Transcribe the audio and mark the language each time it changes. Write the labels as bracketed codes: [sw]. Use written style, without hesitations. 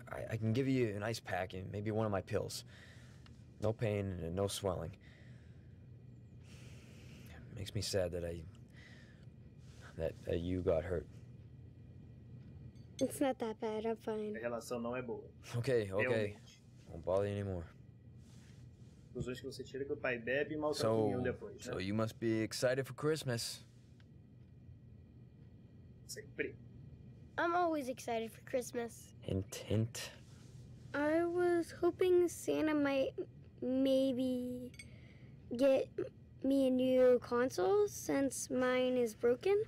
[en] I can give you an ice pack and maybe one of my pills. No pain and no swelling. It makes me sad that that you got hurt. It's not that bad, I'm fine. [pt] A relação não é boa. [en] Okay, okay. Won't bother you anymore. [pt] Os dois que você tira que o pai bebe e maltrata um depois, né? [en] So you must be excited for Christmas. [pt] Sempre. [en] I'm always excited for Christmas. Hint, hint. I was hoping Santa might maybe get me a new console since mine is broken.